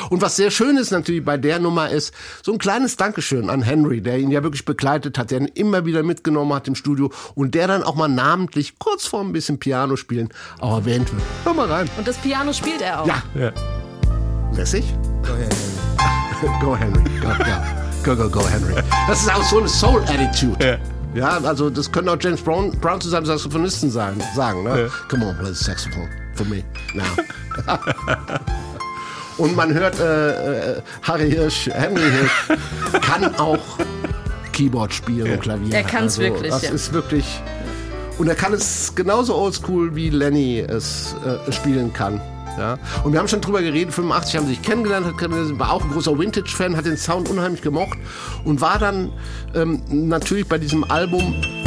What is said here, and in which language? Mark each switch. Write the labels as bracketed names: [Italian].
[German] Und was sehr schön ist natürlich bei der Nummer ist, so ein kleines Dankeschön an Henry, der ihn ja wirklich begleitet hat, der ihn immer wieder mitgenommen hat im Studio und der dann auch mal namentlich kurz vor ein bisschen Piano spielen auch erwähnt wird. Hör mal rein. Und das Piano spielt er auch. Ja. Lässig? [English] Go Henry. Go Henry. Go Henry. [German] Das ist auch so eine Soul Attitude. Yeah. Ja, also das können auch James Brown zu seinem Saxophonisten sagen. Ne? Yeah. [English] Come on, play the saxophone for me now. [German] Und man hört Henry Hirsch kann auch Keyboard spielen und Klavier. Er kann es also, wirklich. Das ist wirklich. Und er kann es genauso oldschool wie Lenny es spielen kann. Ja. Und wir haben schon drüber geredet, 85 haben sie sich kennengelernt, war auch ein großer Vintage-Fan, hat den Sound unheimlich gemocht und war dann natürlich bei diesem Album.